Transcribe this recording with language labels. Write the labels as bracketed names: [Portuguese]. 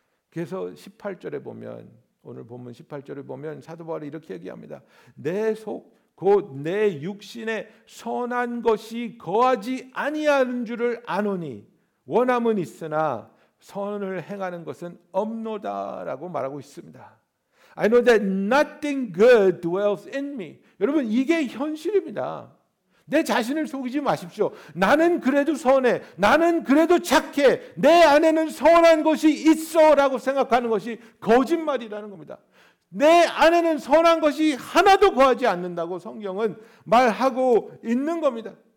[Korean] 그래서 18절에 보면, 오늘 본문 18절을 보면 사도 바울이 이렇게 얘기합니다. 내 속 곧 내 육신에 선한 것이 거하지 아니하는 줄을 아노니 원함은 있으나 선을 행하는 것은 없노다라고 말하고 있습니다. [English] I know that nothing good dwells in me. [Korean] 여러분, 이게 현실입니다. 내 자신을 속이지 마십시오. 나는 그래도 선해. 나는 그래도 착해. 내 안에는 선한 것이 있어라고 생각하는 것이 거짓말이라는 겁니다. 내 안에는 선한 것이 하나도 거하지 않는다고 성경은 말하고 있는 겁니다.